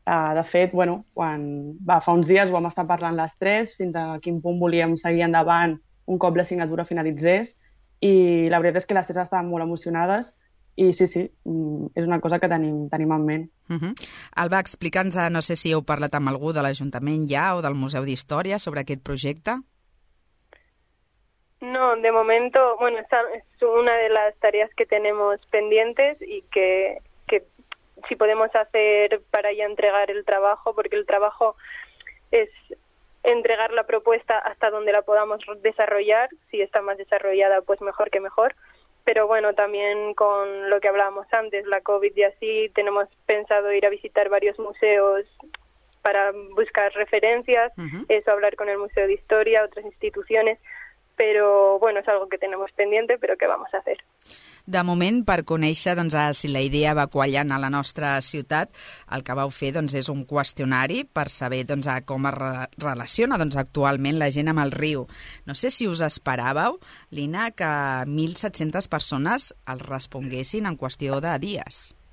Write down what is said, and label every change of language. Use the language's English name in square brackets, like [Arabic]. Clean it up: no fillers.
[Catalan] De fet, bueno, fa uns dies ho vam estar parlant les tres, fins a quin punt volíem seguir endavant un cop l'assignatura finalitzés, i la veritat és que les tres estaven molt emocionades, i sí, és una cosa que tenim en ment. Uh-huh. Alba, explica'ns, no sé si heu parlat amb algú de l'Ajuntament ja o del Museu d'Història sobre aquest projecte. [Spanish] No, de momento, bueno, es una de las tareas que tenemos pendientes y que si podemos hacer para ya entregar el trabajo, porque el trabajo es... entregar la propuesta hasta donde la podamos desarrollar, si está más desarrollada, pues mejor que mejor, Pero bueno, también con lo que hablábamos antes, la COVID y así, tenemos pensado ir a visitar varios museos para buscar referencias, eso, hablar con el Museo de Historia, otras instituciones, pero bueno, es algo que tenemos pendiente, pero ¿qué vamos a hacer? [Catalan] De moment, per conèixer doncs, si la idea va quallant a la nostra ciutat, el que vau fer doncs, és un qüestionari per saber doncs, com es relaciona doncs, actualment la gent amb el riu. No sé si us esperàveu, Lina, que 1.700 persones el responguessin en qüestió de dies.